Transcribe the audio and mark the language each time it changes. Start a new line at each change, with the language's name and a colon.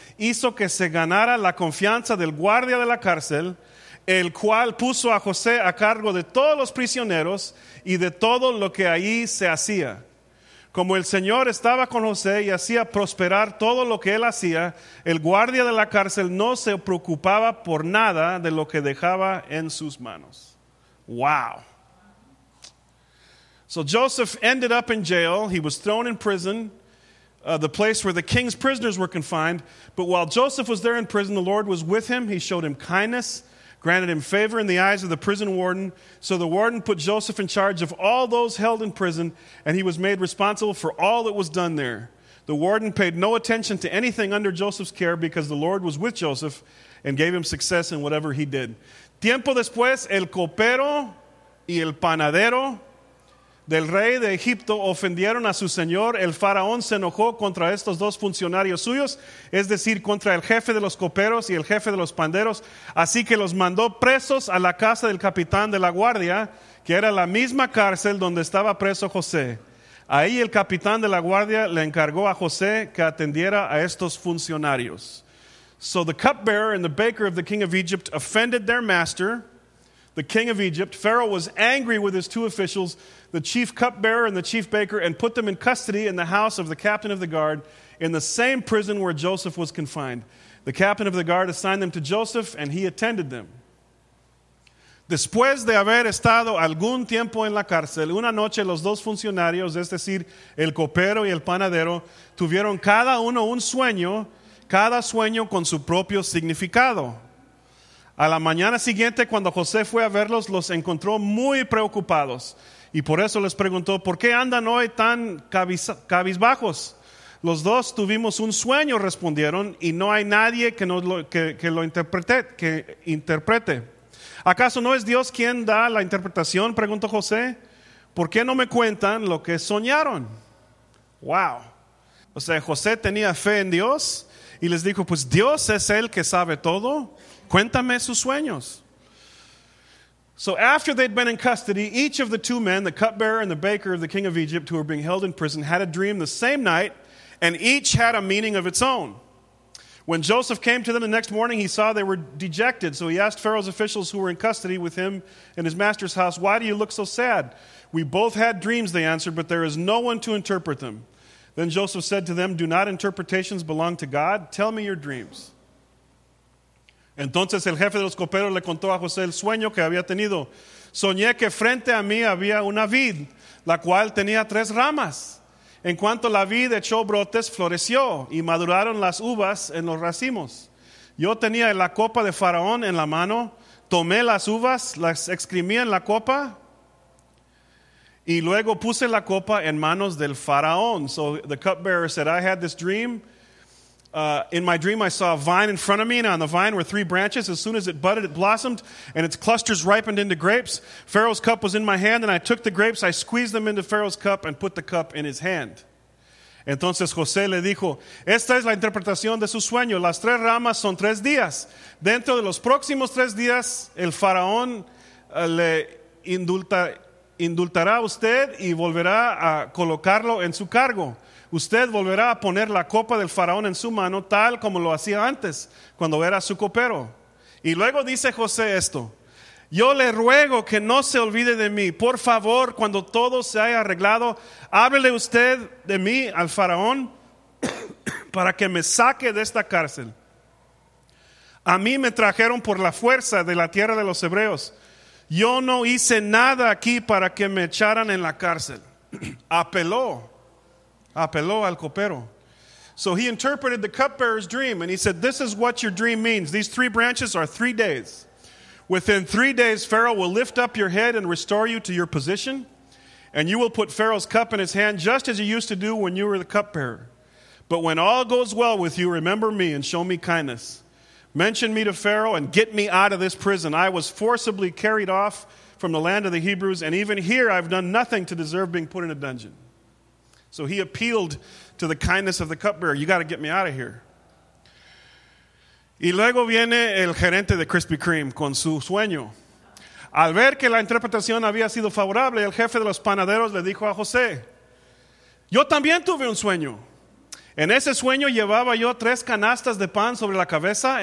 Spanish: Hizo que se ganara la confianza del guardia de la cárcel, el cual puso a José a cargo de todos los prisioneros y de todo lo que allí se hacía. Como el Señor estaba con José y hacía prosperar todo lo que él hacía, el guardia de la cárcel no se preocupaba por nada de lo que dejaba en sus manos. Wow.
English: So Joseph ended up in jail. He was thrown in prison, the place where the king's prisoners were confined. But while Joseph was there in prison, the Lord was with him. He showed him kindness, granted him favor in the eyes of the prison warden. So the warden put Joseph in charge of all those held in prison, and he was made responsible for all that was done there. The warden paid no attention to anything under Joseph's care because the Lord was with Joseph and gave him success in whatever he did.
Spanish: Tiempo después, el copero y el panadero del rey de Egipto ofendieron a su señor. El faraón se enojó contra estos dos funcionarios suyos, es decir, contra el jefe de los coperos y el jefe de los panderos. Así que los mandó presos a la casa del capitán de la guardia, que era la misma cárcel donde estaba preso José. Ahí el capitán de la guardia le encargó a José que atendiera a estos funcionarios.
English: So the cupbearer and the baker of the king of Egypt offended their master, the king of Egypt. Pharaoh was angry with his two officials, the chief cupbearer and the chief baker, and put them in custody in the house of the captain of the guard in the same prison where Joseph was confined. The captain of the guard assigned them to Joseph, and he attended them.
Spanish: Después de haber estado algún tiempo en la cárcel, una noche los dos funcionarios, es decir, el copero y el panadero, tuvieron cada uno un sueño, cada sueño con su propio significado. A la mañana siguiente, cuando José fue a verlos, los encontró muy preocupados. Y por eso les preguntó, ¿por qué andan hoy tan cabizbajos? Los dos tuvimos un sueño, respondieron, y no hay nadie que lo interprete. ¿Acaso no es Dios quien da la interpretación? Preguntó José. ¿Por qué no me cuentan lo que soñaron? Wow. O sea, José tenía fe en Dios y les dijo, pues Dios es el que sabe todo. Cuéntame sus sueños.
English: So after they'd been in custody, each of the two men, the cupbearer and the baker of the king of Egypt, who were being held in prison, had a dream the same night, and each had a meaning of its own. When Joseph came to them the next morning, he saw they were dejected. So he asked Pharaoh's officials who were in custody with him in his master's house, "Why do you look so sad?" "We both had dreams," they answered, "but there is no one to interpret them." Then Joseph said to them, "Do not interpretations belong to God? Tell me your dreams."
Spanish: Entonces el jefe de los coperos le contó a José el sueño que había tenido. Soñé que frente a mí había una vid, la cual tenía tres ramas. En cuanto la vid echó brotes, floreció y maduraron las uvas en los racimos. Yo tenía la copa de Faraón en la mano, tomé las uvas, las exprimí en la copa Y luego puse la copa en manos del faraón.
English: So the cupbearer said, I had this dream. In my dream, I saw a vine in front of me, and on the vine were three branches. As soon as it budded, it blossomed, and its clusters ripened into grapes. Pharaoh's cup was in my hand, and I took the grapes, I squeezed them into Pharaoh's cup, and put the cup in his hand.
Spanish: Entonces José le dijo, esta es la interpretación de su sueño. Las tres ramas son tres días. Dentro de los próximos tres días, el faraón le indultará a usted y volverá a colocarlo en su cargo. Usted volverá a poner la copa del faraón en su mano tal como lo hacía antes, cuando era su copero. Y luego dice José esto, yo le ruego que no se olvide de mí. Por favor, cuando todo se haya arreglado, háblele usted de mí al faraón para que me saque de esta cárcel. A mí me trajeron por la fuerza de la tierra de los hebreos. Yo no hice nada aquí para que me echaran en la cárcel. Apeló al copero.
English: So he interpreted the cupbearer's dream and he said, this is what your dream means. These three branches are 3 days. Within 3 days, Pharaoh will lift up your head and restore you to your position. And you will put Pharaoh's cup in his hand just as you used to do when you were the cupbearer. But when all goes well with you, remember me and show me kindness. Mention me to Pharaoh and get me out of this prison. I was forcibly carried off from the land of the Hebrews. And even here, I've done nothing to deserve being put in a dungeon. So he appealed to the kindness of the cupbearer. You got to get me out of here.
Spanish: Y luego viene el gerente de Krispy Kreme con su sueño. Al ver que la interpretación había sido favorable, el jefe de los panaderos le dijo a José, yo también tuve un sueño. En ese sueño llevaba yo tres canastas de pan sobre la cabeza.